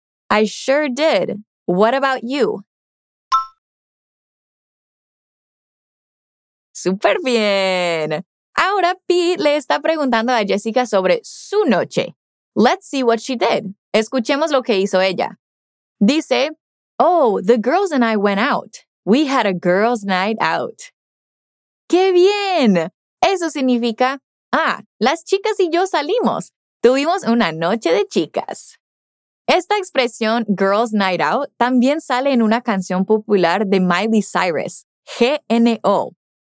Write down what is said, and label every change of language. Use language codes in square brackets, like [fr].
[en] I sure did. What about you? [es] Super bien. Ahora Pete le está preguntando a Jessica sobre su noche. [en] Let's see what she did. [es] Escuchemos lo que hizo ella. Dice, [en] oh, the girls and I went out. We had a girls' night out. [es] ¡Qué bien! Eso significa, ah, las chicas y yo salimos. Tuvimos una noche de chicas. Esta expresión, [en] girls' night out, [es] también sale en una canción popular de Miley Cyrus, G-N-O.